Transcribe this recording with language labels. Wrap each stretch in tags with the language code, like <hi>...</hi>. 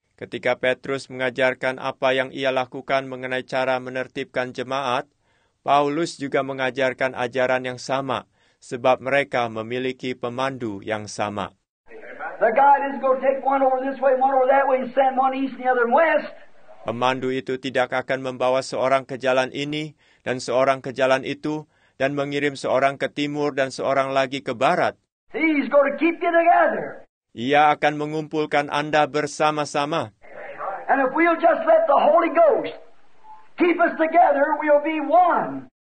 <id>Ketika Petrus mengajarkan apa yang ia lakukan mengenai cara menertibkan jemaat, Paulus juga mengajarkan ajaran yang sama, sebab mereka memiliki pemandu yang sama.</id> <en>The God is going to take one over this way, one over that way, and send one east and the other west.</en> <id>Pemandu itu tidak akan membawa seorang ke jalan ini dan seorang ke jalan itu, dan mengirim seorang ke timur dan seorang lagi ke barat.</id> <en>He's going to keep you together.</en> <id>Ia akan mengumpulkan Anda bersama-sama.</id> <en>And if we'll just let the Holy Ghost keep us together, we'll be one.</en>